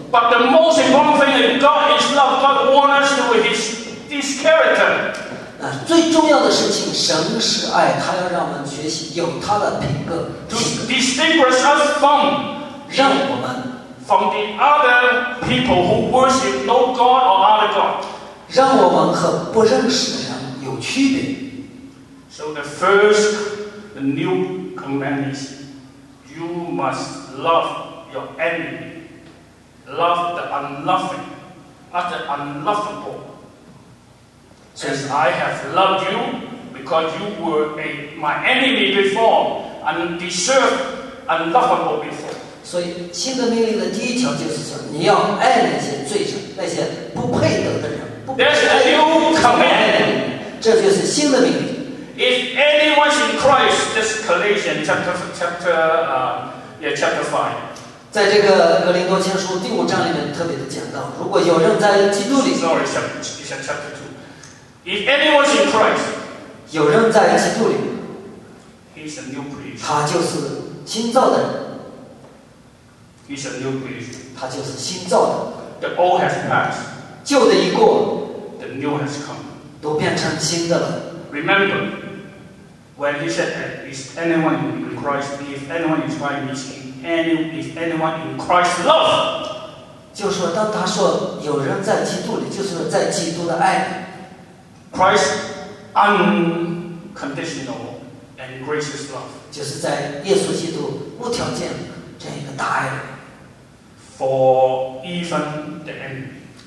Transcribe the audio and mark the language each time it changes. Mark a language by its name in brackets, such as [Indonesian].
[English] But the most important thing is God is love. God wants us with His character。 [Chinese] 那最重要的事情，神是爱，他要让我们学习有他的品格。 [English] To distinguish us from， [Chinese] 让我们 [English] from the other people who worship no God or other God， [Chinese] 让我们和不认识的人有区别。 [English] So the first the new command is you must love your enemy。 Love the unloving, not the unlovable. As I have loved you, because you were my enemy before, and deserved unlovable before. [Chinese] 所以新的命令的第一条就是说，你要爱那些罪人，那些不配得的人。 [English] That's a new command. [Chinese] 这就是新的命令。 [English] If anyone's in Christ, this Galatians chapter 5. [Chinese] 在这个格林多前书第五章里面特别的讲到，如果有人在基督里 [English] If anyone's in Christ， [Chinese] 有人在基督里 [English] He's a new creation， [Chinese] 他就是新造的人。 [English] He's a new creation， [Chinese] 他就是新造的。 [English] The old has passed， [Chinese] 旧的一过 [English] The new has come， [Chinese] 都变成新的了。 [English] Remember when he said that is anyone in Christ， if anyone is Christ he's in if anyone in Christ's love， [Chinese] 就说当他说有人在基督里，就是在基督的爱。 [English] Christ unconditional and gracious love， [Chinese] 就是在耶稣基督无条件这样一个大爱。 [English] For even the enemy，